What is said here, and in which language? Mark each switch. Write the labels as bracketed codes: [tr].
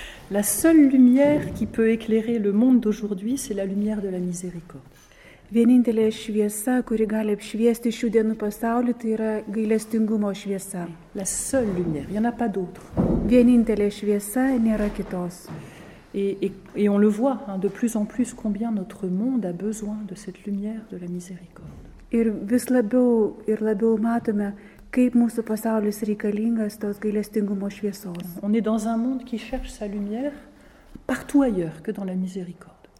[fr] La seule lumière qui peut éclairer le monde d'aujourd'hui, c'est la lumière de la miséricorde. [lt] Vienintelė šviesa, kuri gali apšviesti šių dienų pasaulį, tai yra gailestingumo šviesa. [fr] La seule lumière, il n'y en a pas d'autre. [lt] Vienintelė šviesa, nėra kitos. [fr] Et on le voit hein, de plus en plus combien notre monde a besoin de cette lumière de la miséricorde. [lt] Ir vis labiau ir labiau matome, kaip mūsų pasaulis reikalingas tos gailestingumo šviesos. [fr] On est dans un monde qui cherche sa lumière partout ailleurs que dans la miséricorde.